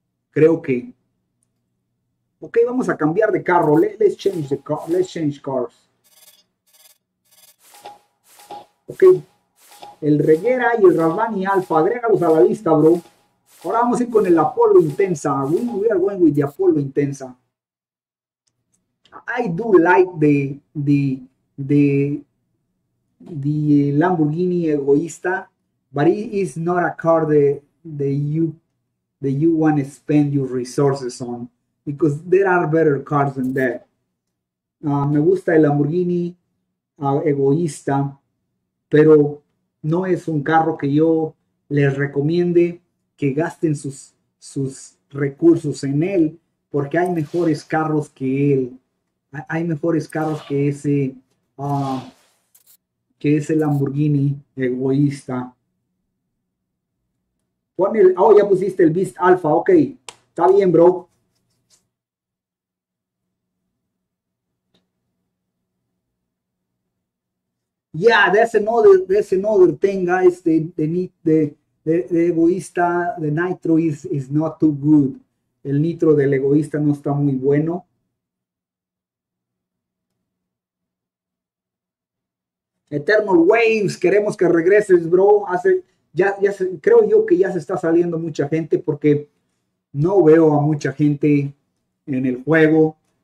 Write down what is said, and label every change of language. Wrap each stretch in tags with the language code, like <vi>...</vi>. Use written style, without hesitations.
<es>Creo que. Ok, vamos a cambiar de carro.</es> <en>Let's change cars.</en> <es>Ok. El Reguera y el Ravani Alfa. Agrégalos a la lista, bro. Ahora vamos a ir con el Apolo Intensa.</es> <en>We are going with the Apolo Intensa. I do like the Lamborghini egoísta, but it is not a car that you want to spend your resources on, because there are better cars than that.</en> <es>Me gusta el Lamborghini egoísta, pero no es un carro que yo les recomiende que gasten sus recursos en él, porque hay mejores carros que él. Hay mejores carros que ese. Que es el Lamborghini egoísta. Pon el. Oh, ya pusiste el Beast Alpha. Ok. Está bien, bro.</es> <en>Yeah, that's another thing, guys. The egoísta, the nitro is not too good.</en> <es>El nitro del egoísta no está muy bueno. Eternal Waves, queremos que regreses, bro. Creo yo que ya se está saliendo mucha gente porque no veo a mucha gente en el juego.</es>